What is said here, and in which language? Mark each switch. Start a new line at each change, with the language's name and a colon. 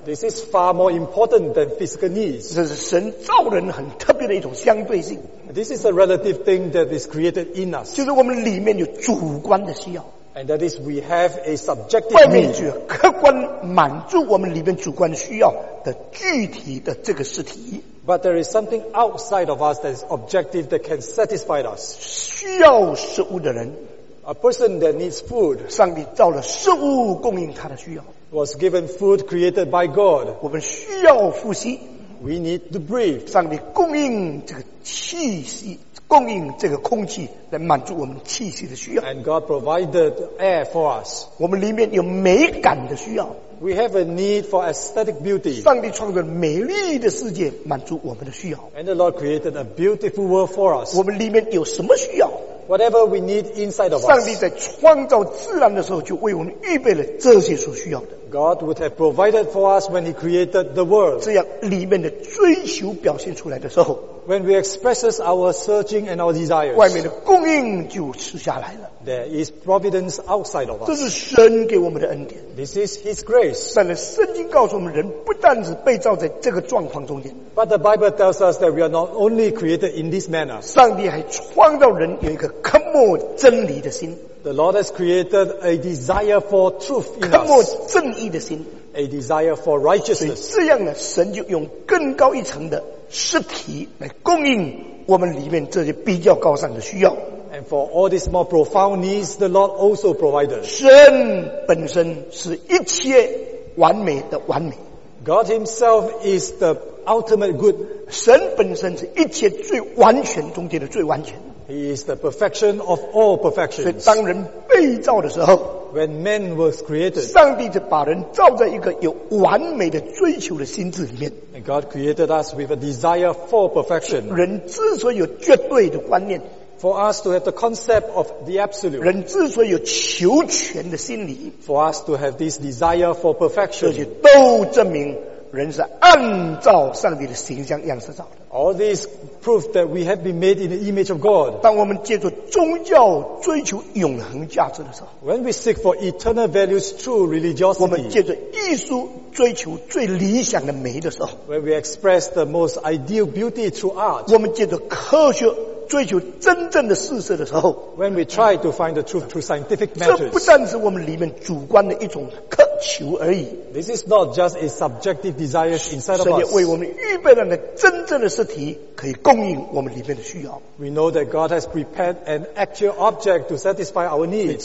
English: This is far more important than physical needs.
Chinese: 这是神造人很特别的一种相对性。
English: This is a relative thing that is created in us.
Chinese: 就是我们里面有主观的需要。
English: And that is we have a subjective need.
Chinese: 外面就客观满足我们里面主观需要的具体的这个实体。
English: But there is something outside of us that is objective that can satisfy us.
Chinese: 需要食物的人，
English: a person that needs food.
Chinese: 上帝造了食物供应他的需要，
English: was given food created by God.
Chinese: 我们需要呼吸，
English: we need to breathe.
Chinese: 上帝供应这个气息，供应这个空气来满足我们气息的需要。
English: And God provided air for us.
Chinese: 我们里面有美感的需要。
English: We have a need for aesthetic beauty.
Chinese: 上帝创造美丽的世界满足我们的需要。
English: And the Lord created a beautiful world for us.
Chinese: 我们里面有什么需要？
English: Whatever we need inside of us.
Chinese: 上帝在创造自然的时候就为我们预备了这些所需要的。
English: God would have provided for us when He created the world.
Chinese: 这样里面的追求表现出来的时候，
English: when we express our searching and our desires,
Chinese: 外面的供应就吃下来了。
English: There is providence outside of us.
Chinese: 这是神给我们的恩典。
English: This is His grace.
Chinese: 但是圣经告诉我们，人不但是被造在这个状况中间，
English: But the Bible tells us that we are not only created in this manner.
Chinese: 上帝还创造人有一个渴慕真理的心。
English: The Lord has created a desire for truth in us.
Chinese: 渴慕正义的心。
English: A desire for righteousness.
Chinese: 所以这样呢，神就用更高一层的实体来供应我们里面这些比较高尚的需要。
English: And for all these more profound needs, the Lord also provided.
Chinese: 神本身是一切完美的完美。
English: God Himself is the ultimate good.
Chinese: 神本身是一切最完全中间的最完全。
English: He is the perfection of all perfections.
Chinese: 所以当人被造的时候，
English: When man was created,
Chinese: 上帝就把人造在一个有完美的追求的心智里面。
English: And God created us with a desire for perfection.
Chinese: 人之所以有绝对的观念，
English: For us to have the concept of the absolute.
Chinese: 人之所以有求全的心理，
English: For us to have this desire for perfection.
Chinese: 这些都证明人是按照上帝的形象样式造的。
English: All this proof that we have been made in the image of God.
Chinese: 当我们借助宗教追求永恒价值的时候，
English: When we seek for eternal values through religiosity.
Chinese: 我们借助艺术追求最理想的美的时候，
English: When we express the most ideal beauty through art.
Chinese: 我们借助科学追求真正的事实的时候，
English: When we try to find the truth through scientific matters.
Chinese: 这不但是我们里面主观的一种渴求而已。
English: This is not just a subjective desire inside of us.
Chinese: 神也为我们预备了那真正的实体可以供应我们里面的需要。
English: We know that God has prepared an actual object to satisfy our needs.